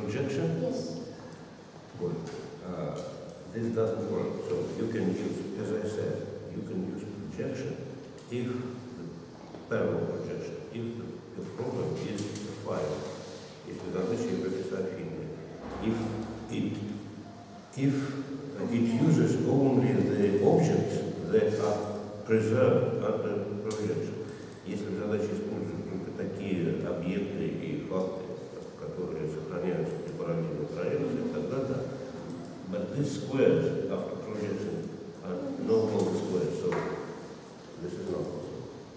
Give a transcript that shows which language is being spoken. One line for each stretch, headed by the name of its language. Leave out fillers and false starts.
English: Conjecture? Yes. Good. This doesn't work. So you can use, as I said, you can use projection if the parallel projection, if the problem is a file, if the other shape is a finite. If it uses only the objects that are preserved under projection,
Russian: если задача использует только такие объекты и факты, которые сохраняются при параллельной проекции, тогда да.
English: But these squares after projection are no longer squares, so this is not possible.